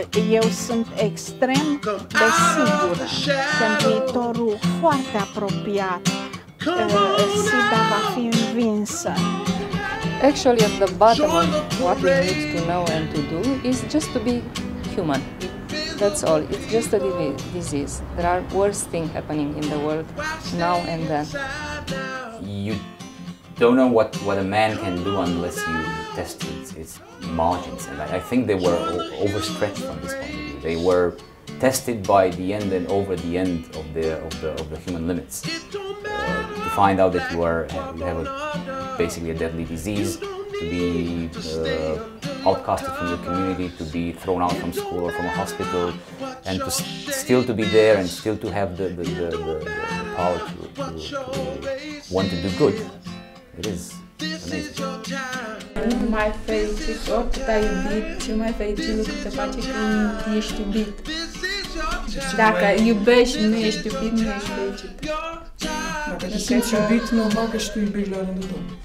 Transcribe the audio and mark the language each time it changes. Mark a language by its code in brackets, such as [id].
[ro] Eu sunt extrem de sigură că în viitorul foarte apropiat SIDA va fi învinsă. [en] Actually, at the bottom of what it needs to know and to do is just to be human. That's all. It's just a disease. There are worse things happening in the world now and then. You don't know what a man can do unless you test his margins, and I think they were overstretched from this point of view. They were tested by the end and over the end of the human limits to find out that you have basically a deadly disease, to be outcasted from the community, to be thrown out from school or from a hospital, and to still to be there and still to have the power to want to do good. It is. [ro] Nu mai fericit, oricât ai iubit, cel mai fericit lucru se face când ești iubit. Dacă iubești, nu ești iubit, nu ești fericit. Dacă te simți iubit, normal că și tu iubești la rândul tău.